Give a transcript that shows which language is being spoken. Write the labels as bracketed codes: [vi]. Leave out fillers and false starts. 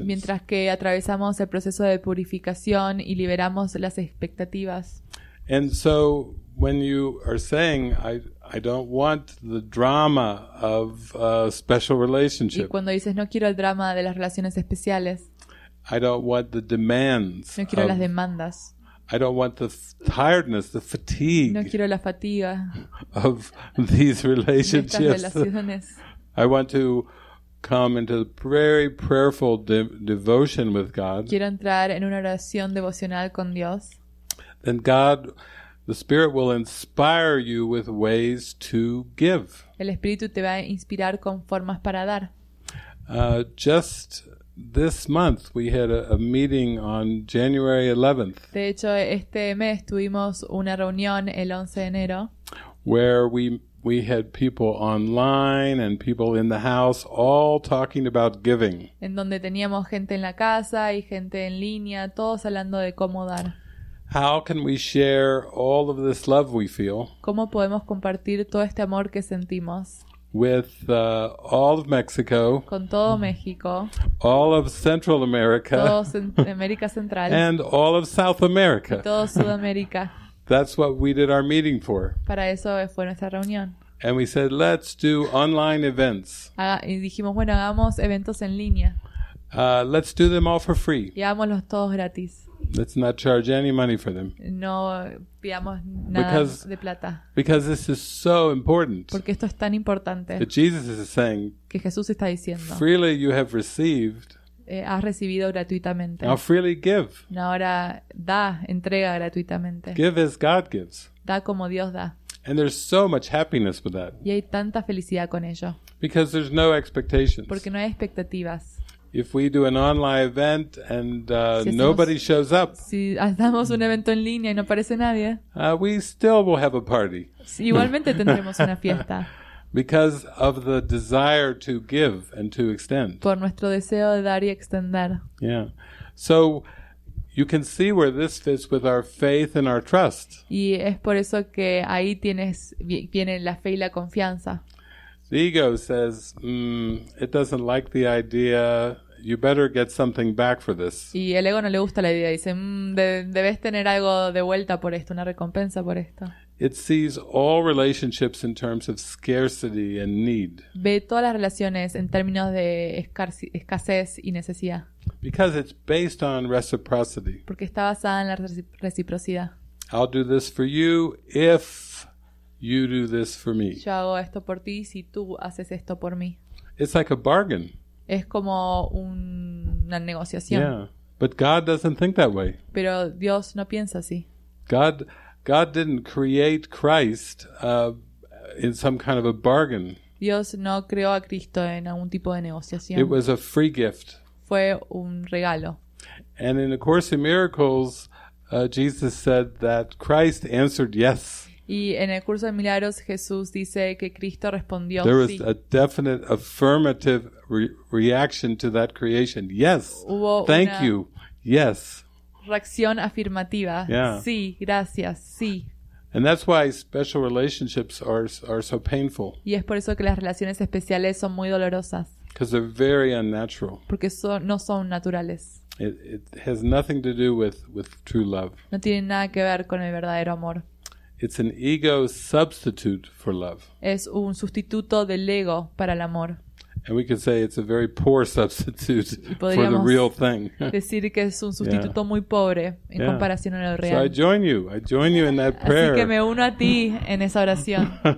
[es] Mientras que atravesamos el proceso de purificación y liberamos las expectativas. [en] And so when you are saying I don't want the drama of a special relationship. [es] Y cuando dices no quiero el drama de las relaciones especiales. [en] I don't want the demands. [es] No quiero las demandas. [en] I don't want the tiredness, the fatigue. [es] No quiero la fatiga. [en] Of these relationships. [es] De estas relaciones. [en] I want to come into a very prayerful devotion with God. [es] Quiero entrar en una oración devocional con Dios. [en] Then God, the Spirit will inspire you with ways to give. [es] El Espíritu te va a inspirar con formas para dar. [en] Just this month, we had a meeting on January 11th. [es] De hecho, este mes tuvimos una reunión el 11 de enero. [en] Where we had people online and people in the house all talking about giving. [es] En donde teníamos gente en la casa y gente en línea, todos hablando de cómo dar. [en] How can we share all of this love we feel? [es] ¿Cómo podemos compartir todo este amor que sentimos? [en] With all of Mexico. [es] Con todo México. [en] All of Central America. [es] Todo América Central. [en] And all of South America. [es] Y todo Sudamérica. [en] That's what we did our meeting for. [es] Para eso fue nuestra reunión. [en] And we said, let's do online events. [es] Y dijimos, bueno, hagamos eventos en línea. [en] Let's do them all for free. [es] Y hagámoslos todos gratis. [en] Let's not charge any money for them. [es] No pidamos nada de plata. [en] Because this is so important. [es] Porque esto es tan importante. [en] That Jesus is saying. [es] Que Jesús está diciendo. [en] Freely you have received. [es] Has recibido gratuitamente. [en] Now freely give. [es] Ahora da, entrega gratuitamente. [en] Give as God gives. [es] Da como Dios da. [en] And there's so much happiness with that. [es] Y hay tanta felicidad con ello. [en] Because there's no expectations. [es] Porque no hay expectativas. [en] If we do an online event and nobody shows up. [es] Si hacemos un evento en línea y no aparece nadie. [en] We still will have a party. [es] Sí, igualmente tendremos una fiesta. [en] Because of the desire to give and to extend. [es] Por nuestro deseo de dar y extender. [en] Yeah. So you can see where this fits with our faith and our trust. [es] Y es por eso que ahí tienes viene la fe y la confianza. [en] The ego says, it doesn't like the idea. You better get something back for this. [es] Y el ego no le gusta la idea. Dice, debes tener algo de vuelta por esto, una recompensa por esto. [en] It sees all relationships in terms of scarcity and need. [es] Ve todas las relaciones en términos de escasez y necesidad. [en] Because it's based on reciprocity. [es] Porque está basada en la reciprocidad. [en] I'll do this for you if you do this for me. [es] Yo hago esto por ti si tú haces esto por mí. [en] It's like a bargain. [es] Es como una negociación. [en] Yeah. But God doesn't think that way. [es] Pero Dios no piensa así. [en] God didn't create Christ in some kind of a bargain. [es] Dios no creó a Cristo en algún tipo de negociación. [en] It was a free gift. [es] Fue un regalo. [en] And in A Course in Miracles, Jesus said that Christ answered yes. [es] Y en el curso de milagros Jesús dice que Cristo respondió [en] there [es] sí. [en] There was a definite affirmative reaction to that creation. Yes. [es] Hubo [en] thank [es] una [en] you. Yes. [es] Reacción afirmativa. [en] Yeah. [es] Sí, gracias. Sí. [en] And that's why special relationships are so painful. [es] Y es por eso que las relaciones especiales son muy dolorosas. [en] Because they're very unnatural. [es] Porque no son naturales. [en] It has nothing to do with true love. [es] No tiene nada que ver con el verdadero amor. [en] It's an ego substitute for love. [es] Es un sustituto del ego para el amor. [en] And we could say it's a very poor substitute for the real thing. [es] Decir que es un sustituto muy pobre en comparación a lo real. [en] So I join you. I join you in that prayer. [es] Así que me uno a ti en esa oración.